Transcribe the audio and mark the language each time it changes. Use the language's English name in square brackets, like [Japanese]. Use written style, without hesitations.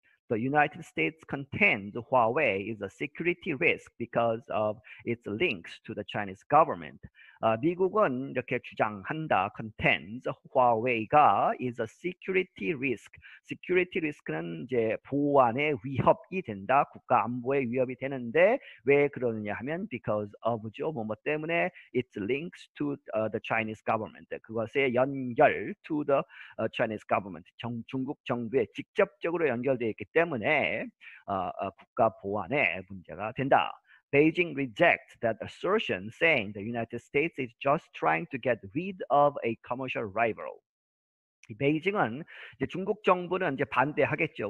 [English] The United States contends Huawei is a security risk because of its links to the Chinese government. [Korean] 미국은 이렇게 주장한다. [English] Contends Huawei가 is a security risk. [Korean] Security risk는 이제 보안의 위협이 된다. 국가 안보의 위협이 되는데 왜 그러느냐 하면 because of죠. 뭐 때문에 [English] its links to the Chinese government. [Korean] 그것의 연결 [English] to the Chinese government. [Korean] 중국 정부에 직접적으로 연결되어 있기 때문에 국가 보안에 문제가 된다. [English] Beijing rejects that assertion, saying the United States is just trying to get rid of a commercial rival. [Korean] 베이징은 이제 중국 정부는 이제 반대하겠죠.